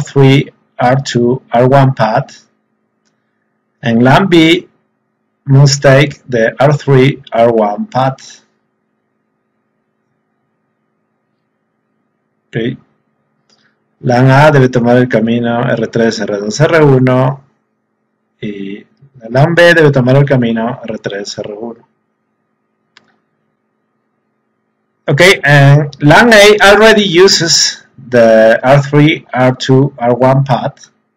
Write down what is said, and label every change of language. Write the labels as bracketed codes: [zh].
[en] Okay, LAN A must take the R3, R2, R1 path, and LAN B must take the R3, R1 path. Okay. [es] LAN A debe tomar el camino R3, R2, R1 y LAN B debe tomar el camino R3, R1. [en] Okay, and LAN A already uses the R3, R2, R1 path.